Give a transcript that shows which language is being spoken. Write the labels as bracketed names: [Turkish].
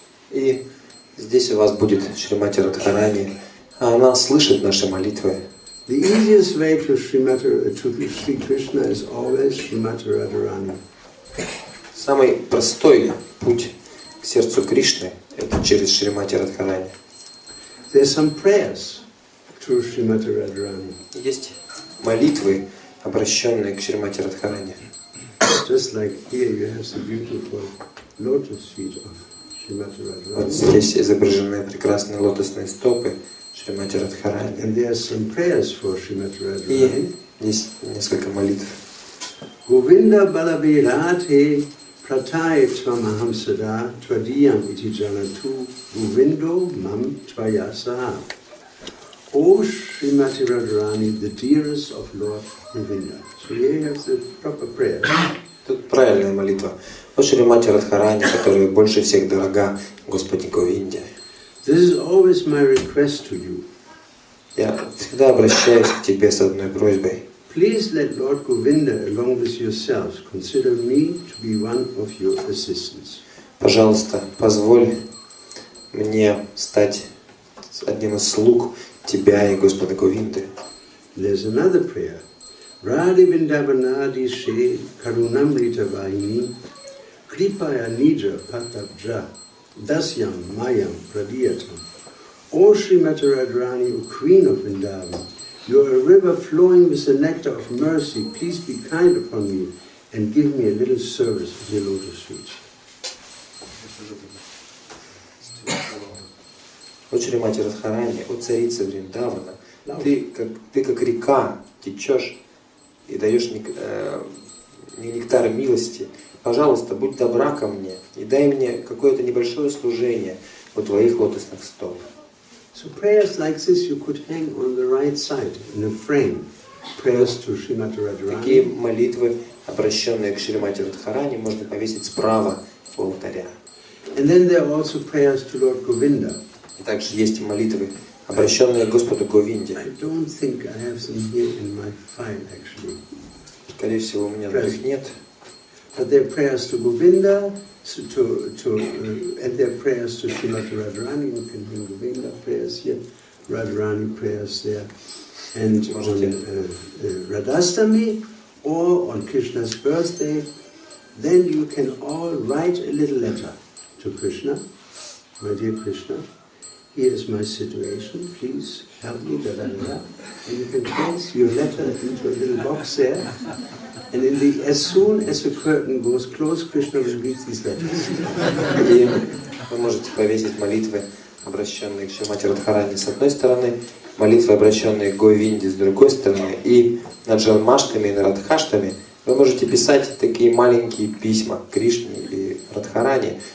[Russian] И здесь у вас будет Шримати Радхарани, а она слышит наши молитвы. [English] The easiest way to Shri Krishna is always Shrimati Radharani. [Russian] Самый простой путь к сердцу Кришны – это через Шримати Радхарани. [English] There are some prayers to Shrimati Radharani. [Russian] Есть молитвы, обращенные к Шримати Радхарани. [English] Just like here you have the beautiful lotus feet of Shrimati Radharani. [Russian] Вот здесь изображены прекрасные лотосные стопы Шримати Радхарани. [English] And there are some prayers for Shrimati Radharani. [Russian] И есть несколько молитв. [Sanskrit] Govinda Balabirati Pratai Tvamaham Sada Tvadiyam Iti Janatu Govindo Mam Tvayasaha. [English] O Srimati Radharani, the dearest of Lord Govinda. So here you have the proper prayer. [Russian] Тут правильная молитва. О Шримати Радхарани, которая больше всех дорога Господи Говинде. [English] This is always my request to you. [Russian] Я всегда обращаюсь к тебе с одной просьбой. [English] Please let Lord Govinda, along with yourselves, consider me to be one of your assistants. [Russian] Пожалуйста, позволь мне стать одним из слуг тебя и Господа Говинды. [English] There's another prayer. [Sanskrit] Radhe Vrindavanadi Shri Karunamrita Vahini Kripaya Nija Patabja Dasyam Mayam Pradiyatam. [English] O Srimati Radharani, O Queen of Vrindavan, you are a river flowing with the nectar of mercy. Please be kind upon me and give me a little service with your lotus feet. [Russian] О Шримати Радхарани, о царице Вриндавана, ты как река течешь и даешь нектар милости. Пожалуйста, будь добра ко мне и дай мне какое-то небольшое служение у твоих лотосных стоп. [English] So prayers like this you could hang on the right side in a frame. Prayers to Shrimati Radharani. [Russian] Такие молитвы, обращенные к Шримати Радхарани, можно повесить справа у алтаря. [English] And then there are also prayers to Lord Govinda. [Russian] И также есть молитвы, обращенные к Господу Говинде. [English] I don't think I have them here in my file, actually. [Russian] Скорее всего, у меня таких нет. [English] But there are prayers to Govinda. So to their prayers to Srimati Radharani, you can bring Govinda prayers here, Radharani prayers there, and on Radhastami or on Krishna's birthday, then you can all write a little letter to Krishna. My dear Krishna, here is my situation, please help me, da da da. And you can place your letter into a little box there. And in the, as soon as the curtain goes closed, Krishna will read these letters. [Russian] И вы можете повесить молитвы, обращенные к Шримати Радхарани с одной стороны, молитвы, обращенные к Говинде с другой стороны, и над Джанмаштами и Радхаштами вы можете писать такие маленькие письма Кришне или Радхарани.